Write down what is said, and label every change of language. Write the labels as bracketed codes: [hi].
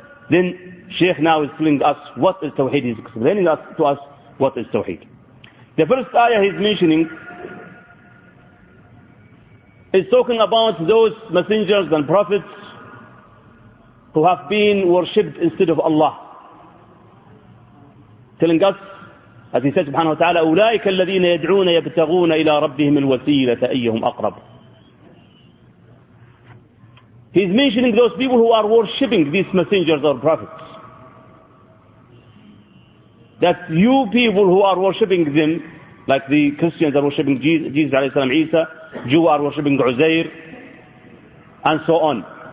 [en] Then Shaykh now is telling us what is Tawheed. He's explaining to us what is Tawheed. The first ayah he's mentioning is talking about those messengers and prophets who have been worshipped instead of Allah. Telling us, as he said [ar] subhanahu wa ta'ala, أُولَٰئِكَ الَّذِينَ يَدْعُونَ يَبْتَغُونَ إِلَىٰ رَبِّهِمِ الْوَسِيلَةَ أَيَّهُمْ أَقْرَبُ. [en] He's mentioning those people who are worshipping these messengers or prophets. That you people who are worshipping them, like the Christians are worshipping Jesus alayhi salam, Isa, Jews are worshipping Uzair, and so on.